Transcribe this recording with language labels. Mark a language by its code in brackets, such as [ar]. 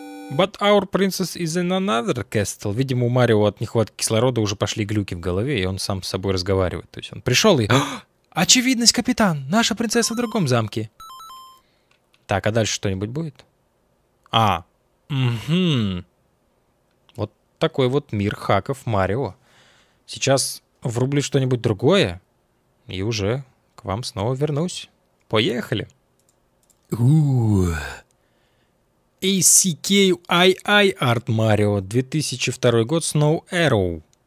[en] But our princess is in another castle. [ru] Видимо, у Марио от нехватки кислорода уже пошли глюки в голове, и он сам с собой разговаривает. То есть он пришел и... Очевидность, капитан! Наша принцесса в другом замке. Так, а дальше что-нибудь будет? А, угу. Вот такой вот мир хаков Марио. Сейчас врублю что-нибудь другое, и уже к вам снова вернусь. Поехали. ACKII Art Mario, 2002 год, Snow Arrow.